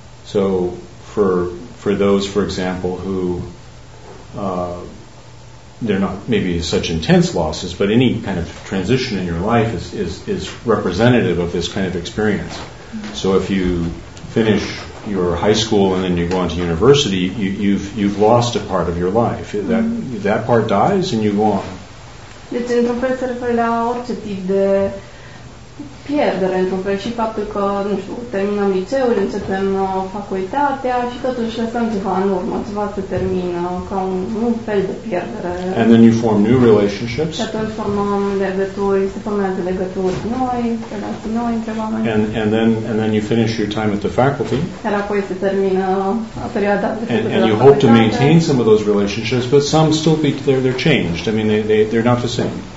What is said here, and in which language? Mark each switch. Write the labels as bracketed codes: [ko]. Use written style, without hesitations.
[en] So for those, for example, who they're not maybe such intense losses, but any kind of transition in your life is representative of this kind of experience. Mm-hmm. So if you finish your high school and then you go on to university, you've lost a part of your life. That part dies and you go on. [ro] Deci, într-un fel, se referă la orice tip de pierdere într-un fel și faptul că, nu știu, terminăm liceul, începem facultatea și totuși lăsăm ceva în urmă, ceva se termină, ca un fel de pierdere. [en] And then you form new relationships. [ro] Și atunci formăm legături, se formează legături noi, relații noi între oameni. [en] And then you finish your time at the faculty. [ro] Iar apoi se termină perioada de facultate. [en] And you hope to maintain some of those relationships, but some still be, they're changed. I mean, they're not the same.